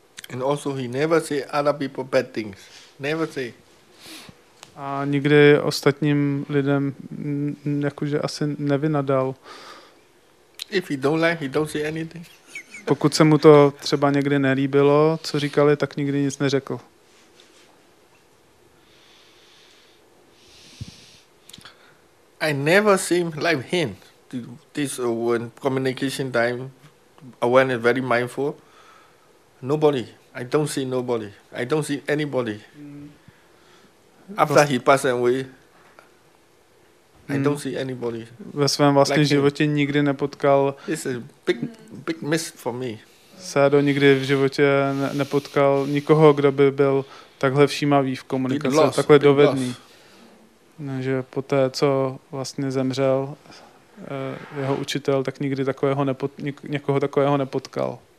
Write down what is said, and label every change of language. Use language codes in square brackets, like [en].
[en] And also he never say other people bad things. Never say. [cs] A nikdy ostatním lidem jakože asi nevynadal. [en] If he don't like, he don't say anything. [cs] Pokud se mu to třeba někdy nelíbilo, co říkali, tak nikdy nic neřekl. [en] I never seem like him. This when communication time, awareness very mindful. Nobody. I don't see nobody. I don't see anybody. After he passed away, I don't see anybody. [cs] Ve svém vlastním životě nikdy nepotkal. [en] This is big miss for me. [cs] Sádo nikdy v životě nepotkal nikoho, kdo by byl takhle všímavý v komunikaci, takhle dovedný. Takže po té, co vlastně zemřel jeho učitel, tak nikdy takového někoho takového nepotkal.